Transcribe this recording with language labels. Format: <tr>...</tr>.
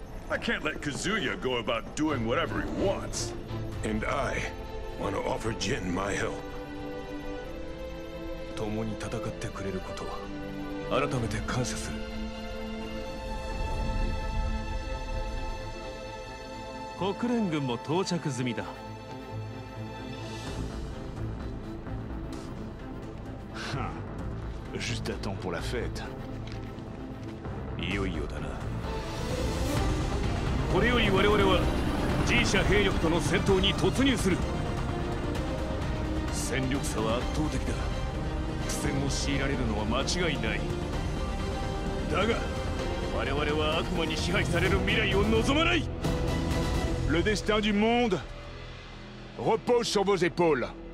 <en>I can't let Kazuya go about doing whatever he wants. And I want to offer Jin my help.</en> <ja>共に戦ってくれることを改めて感謝する。国連軍も到着済みだ。</ja> <fr>Juste à temps pour la fête.</fr> <ja>いよいよだな。これより我々は G 社兵力との戦闘に突入する。戦力差は圧倒的だ。戦を強いられるのは間違いない。だが我々は悪魔に支配される未来を望まない。</ja> <fr>Le destin du monde repose sur vos épaules。</fr>